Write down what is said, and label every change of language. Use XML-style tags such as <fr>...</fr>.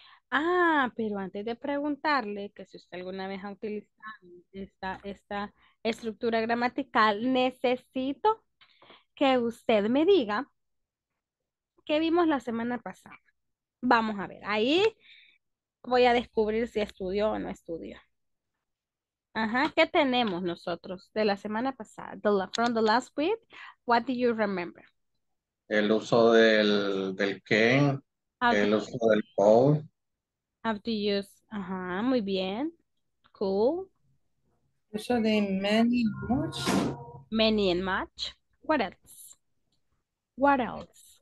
<es>Ah, pero antes de preguntarle que si usted alguna vez ha utilizado esta estructura gramatical, necesito que usted me diga qué vimos la semana pasada. Vamos a ver, ahí voy a descubrir si estudió o no estudió. Ajá, ¿qué tenemos nosotros de la semana pasada?</es> <en>From the last week, what do you remember?</en> <es>El uso del can, el uso del bowl.</es> <en>Have to use,</en> <es>ajá, muy bien,</es> <en>cool.</en> <es>Uso de many, much.</es> <en>Many and much. What else? What else?</en>